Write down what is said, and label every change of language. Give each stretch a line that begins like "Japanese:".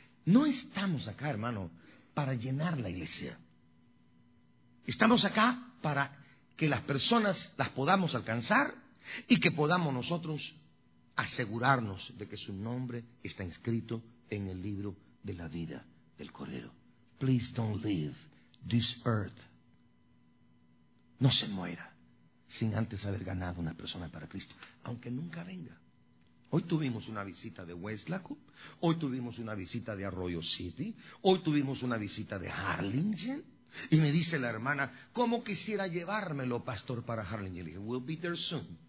Spanish: No estamos acá, hermano, para llenar la iglesia. Estamos acá para que las personas las podamos alcanzar y que podamos nosotros asegurarnos de que su nombre está inscrito en el libro de la vida del Cordero.
English: Please don't leave this earth.
Spanish: No se muera sin antes haber ganado una persona para Cristo, aunque nunca venga. Hoy tuvimos una visita de Westlaco, hoy tuvimos una visita de Arroyo City, hoy tuvimos una visita de Harlingen, y me dice la hermana, ¿cómo quisiera llevármelo, pastor, para Harlingen? Y le dije,
English: we'll be there soon.